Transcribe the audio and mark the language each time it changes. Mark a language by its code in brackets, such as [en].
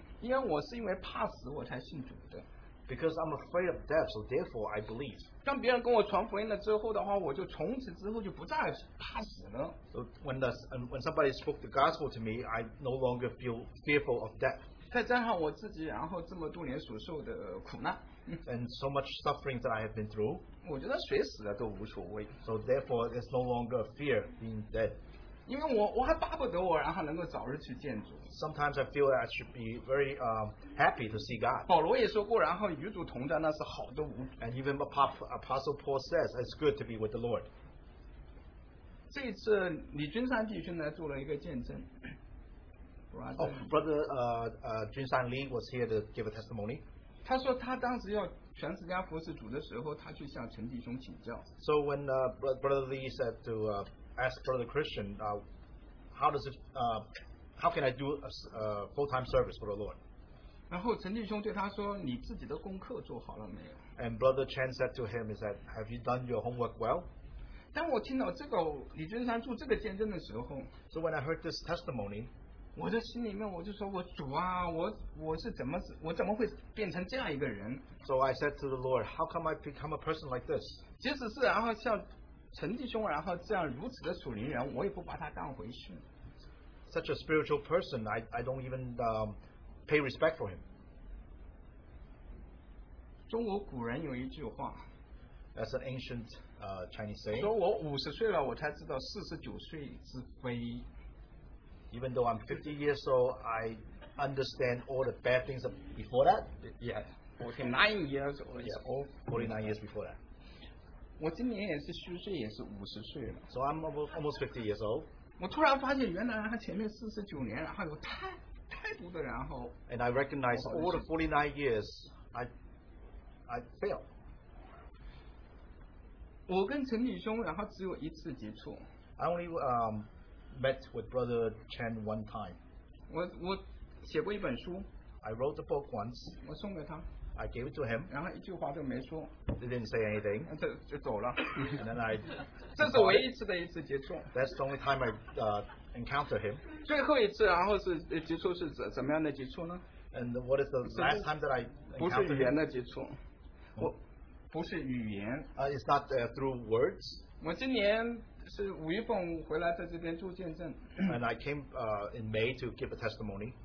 [zh] 因为我是因为怕死我才信主的。 [en] Because I'm afraid of death, so therefore I believe. [zh] 当别人跟我传福音了之后的话，我就从此之后就不再怕死了。 [en] So when somebody spoke the gospel to me, I no longer feel fearful of death. [zh] 再加上我自己，然后这么多年所受的苦难 [en] ，and so much suffering that I have been through， [zh] 我觉得谁死了都无所谓。 [en] So therefore, there's no longer fear being dead。 [zh] 因为我还巴不得我然后能够早日去见主。 [en] Sometimes I feel that I should be very happy to see God。 [zh] 保罗也说过，然后与主同在那是好的无。 [en] And even Apostle Paul says it's good to be with the Lord。 [zh] 这一次李军山弟兄来做了一个见证。 [en] Oh, Brother Junsan Lee was here to give a testimony. [zh] 他说他当时要全职加服侍主的时候，他去向陈弟兄请教。 [en] So when Brother Lee said to ask Brother Christian, how can I do a full-time service for the Lord? [zh] 然后陈弟兄对他说，你自己的功课做好了没有？ [en] And Brother Chen said to him, is that have you done your homework well? [zh] 当我听到这个李军山做这个见证的时候 [en] ，So when I heard this testimony. [zh] 我的心里面我就说我主啊 我怎么会变成这样一个人 [en] So I said to the Lord, how come I become a person like this? [zh] 即使是然后像陈弟兄然后这样如此的属灵人我也不把他当回事 [en] Such a spiritual person, I don't even pay respect for him. [zh] 中国古人有一句话 [en] That's an ancient Chinese saying. [zh] 说我五十岁了我才知道四十九岁之非 [en] Even though I'm 50 years old, I understand all the bad things before that. Yeah, 49 years old. Yeah, 49 years before that. [zh] 我今年也是虚岁，也是五十岁了。 [en] So I'm almost 50 years old. [zh] 我突然发现，原来他前面四十九年，然后有太多的然后。 [en] And I recognize all the 49 years, I failed. [zh] 我跟陈弟兄，然后只有一次接触。 [en] I only met with Brother Chen one time. [zh] 我写过一本书。 [en] I wrote a book once. [zh] 我送给他。 [en] I gave it to him. [zh] 然后一句话就没说。 [en] He didn't say anything. [zh] 就走了。 [en] And then I. [zh] 这是唯一一次的一次接触。 [en] That's the only time I encounter him. [zh] 最后一次，然后是接触是怎么样的接触呢 [en] ？And what is the last time that I encountered? [zh] 不是语言的接触。我不是语言。 [en] It's not through words. [zh] 我今年。是吴一凤回来在这边做见证。 [en] And I came in May to give a testimony.